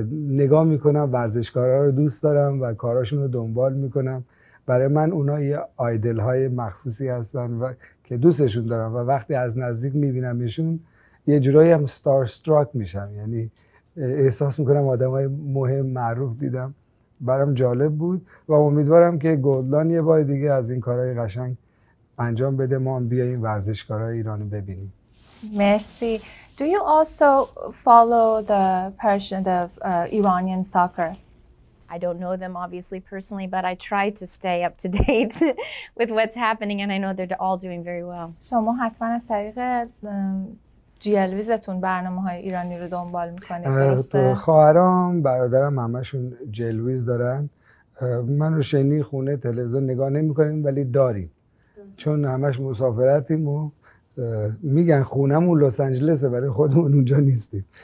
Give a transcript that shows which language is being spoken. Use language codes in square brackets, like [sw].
[fa] نگاه میکنم ورزشکارا رو دوست دارم و کاراشون رو دنبال میکنم، برای من اونها یه آیدل های مخصوصی هستن و که دوستشون دارم و وقتی از نزدیک میبینمشون یه جورایی هم ستار استراک میشم، یعنی احساس میکنم آدمای مهم معروف دیدم، برام جالب بود و امیدوارم که گلدلاین یه بار دیگه از این کارهای قشنگ انجام بده، ما هم بیاییم ورزشکارهای ایرانی ببینیم. مرسی. [en] Do you also follow the passion of Iranian soccer? I don't know them obviously personally, but I try to stay up to date with what's happening and I know they're all doing very well. [fa] شما حتما از طریق GLWIZ‌تون برنامه‌های ایرانی رو دنبال می‌کنید، درسته؟ خواهرام، برادرم همه‌شون GLWIZ دارن. من و شینی خونه تلویزیون نگاه نمی‌کنیم ولی داریم. چون همش مسافرتیم و میگن خونمون لس آنجلس، ولی خودمون اونجا نیستیم.